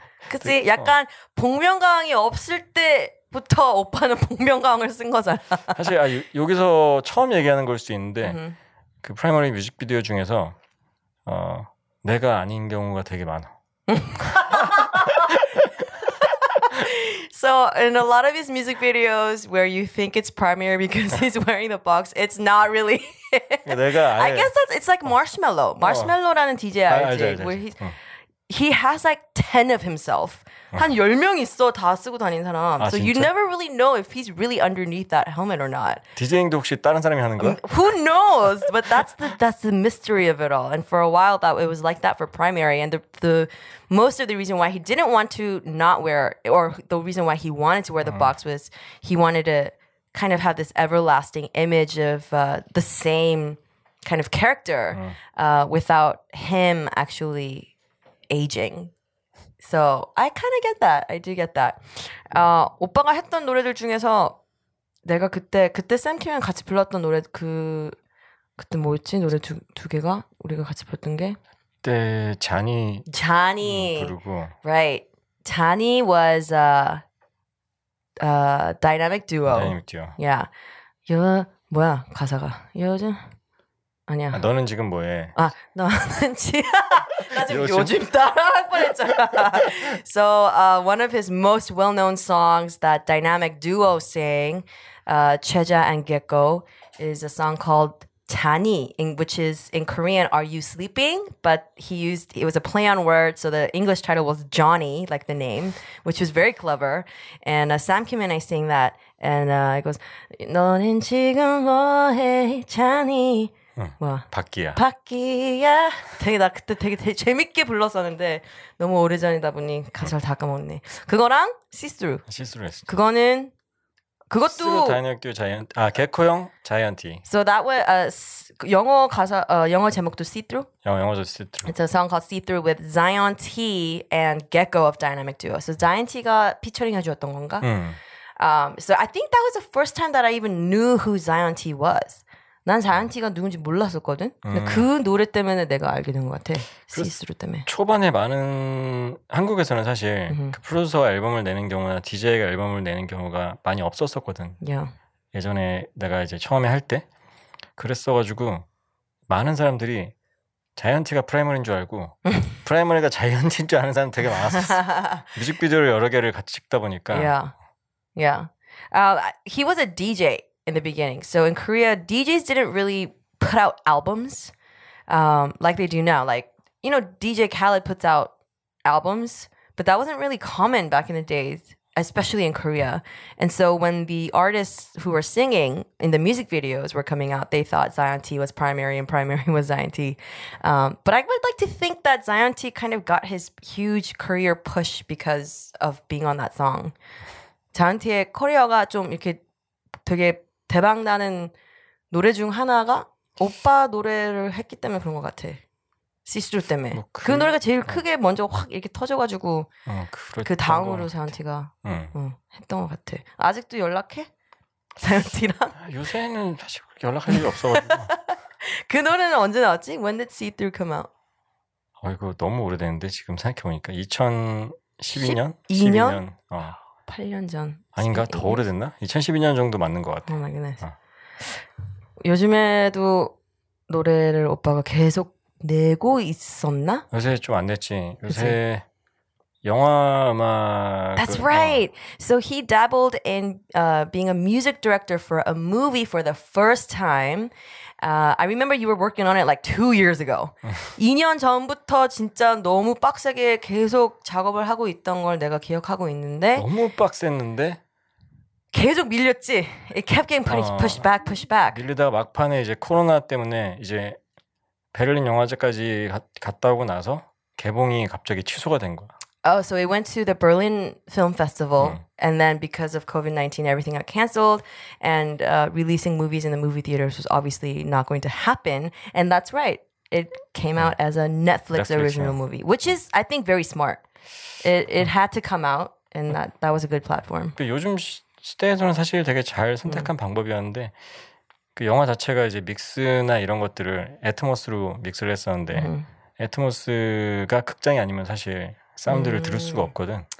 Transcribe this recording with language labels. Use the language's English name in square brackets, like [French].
[Korean] 그치 약간 복면가왕이 없을 때 부터 오빠는 복면가왕을 쓴 거잖아. 사실 아, 여기서 처음 얘기하는 걸 수 있는데 그 프라이머리 뮤직비디오 중에서 내가 아닌 경우가 되게 많아. [English] So in a lot of his music videos where you think it's Primary because he's wearing the box, it's not really. [Korean] 내가 아예, [English] I guess that's, it's like Marshmallow. [Korean] Marshmallow라는 DJ 알지? 알지. [English] He has like 10 of himself. [Korean] 한 10명 있어 다 쓰고 다니는 사람. 아, [English] so [Korean] 진짜? [English] You never really know if he's really underneath that helmet or not. [Korean] 디제잉도 혹시 다른 사람이 하는 거야? [English] Who knows? But that's the mystery of it all. And for a while that it was like that for Primary. And the most of the reason why he didn't want to not wear or the reason why he wanted to wear the box was he wanted to kind of have this everlasting image of the same kind of character without him actually aging. So I kind of get that. I do get that. [Korean] 오빠가 했던 노래들 중에서 내가 그때 샘 킴이랑 같이 불렀던 노래 그때 뭐였지? 노래 두 개가 우리가 같이 불렀던 게 그때 자니 자니 부르고 [English] right. 자니 was a dynamic duo. Dynamic duo. Yeah. [Korean] 여 뭐야 가사가 요즘 아니야. 아, 너는 지금 뭐해? 아 너는 지금 요즘 따라 할 뻔했잖아. [English] So one of his most well-known songs that dynamic duo sang, Cheja and Gekko, is a song called Tani, which is in Korean, Are You Sleeping? But it was a play on words, so the English title was Johnny, like the name, which was very clever. And Sam Kim and I sang that, and it goes, [Korean] 너는 지금 뭐해, [English] Tani? [Korean] 바퀴야. 바퀴야. 되게 나 그때 되게 재밌게 불렀었는데 너무 오래전이다 보니 가사를 다 까먹었네. 그거랑 시스루. 시스루 했어. 그거는 그것도 다이너믹듀오 자이언티. 아, 개코형 자이언티. [English] So that was [Korean] 영어 가사 영어 제목도 시스루? 영어도 시스루. [English] It's a song called See Through with Zion T and Gecko of Dynamic Duo. [Korean] So Zion T가 피처링 해주었던 건가? [English] So I think that was the first time that I even knew who Zion T was. [Korean] 난 자이언티가 누군지 몰랐었거든. 근데 그 노래 때문에 내가 알게 된 것 같아. 시스루 때문에. 초반에 많은 한국에서는 사실 그 프로듀서가 앨범을 내는 경우나 DJ가 앨범을 내는 경우가 많이 없었었거든. [English] Yeah. [Korean] 예전에 내가 이제 처음에 할 때 그랬어가지고 많은 사람들이 자이언티가 프라이머인 줄 알고 프라이머리가 자이언트인 줄 아는 사람 되게 많았었어. 뮤직비디오를 여러 개를 같이 찍다 보니까. [English] Yeah. Yeah. He was a DJ in the beginning. So in Korea, DJs didn't really put out albums like they do now. Like, you know, DJ Khaled puts out albums, but that wasn't really common back in the days, especially in Korea. And so when the artists who were singing in the music videos were coming out, they thought Zion T was primary and primary was Zion T. But I would like to think that Zion T kind of got his huge career push because of being on that song. [Korean] 자이언 T의 커리어가 좀 이렇게 되게 대박나는 노래 중 하나가 오빠 노래를 했기 때문에 그런 것 같아. 시스루 때문에 뭐 그 노래가 제일 크게 먼저 확 이렇게 터져가지고 그 다음으로 자이언 T가 했던 것 같아. 아직도 연락해? 자이언 T랑? 요새는 사실 연락할 일이 없어가지고. 그 노래는 언제 나왔지? [English] When did See Through Come Out? [Korean] 이거 너무 오래됐는데 지금 생각해보니까 2012년? 2년? 12년? 8년 전. 아닌가? 더 오래됐나? 2012년 정도 맞는 것 같아. [English] Oh my goodness. [Korean] 요즘에도 노래를 오빠가 계속 내고 있었나? 요새 좀 안 냈지. 요새 영화 음악. [English] That's right. So he dabbled in being a music director for a movie for the first time. I remember you were working on it like 2 years ago. [Korean] 2년 전부터 진짜 너무 빡세게 계속 작업을 하고 있던 걸 내가 기억하고 있는데. 너무 빡셌는데? 계속 밀렸지. [English] It kept getting pushed back, pushed back. [Korean] 밀리다가 막판에 이제 코로나 때문에 이제 베를린 영화제까지 갔다 오고 나서 개봉이 갑자기 취소가 된 거야. [English] Oh, so we went to the Berlin Film Festival, and then because of COVID-19, everything got canceled, and releasing movies in the movie theaters was obviously not going to happen. And that's right, it came out as a Netflix original movie, which is, I think, very smart. It had to come out, and that was a good platform. [Korean] 요즘 시대에서는 사실 되게 잘 선택한 방법이었는데 그 영화 자체가 이제 믹스나 이런 것들을 애트모스로 믹스를 했었는데 애트모스가 극장이 아니면 사실 사운드를 들을 수가 없거든.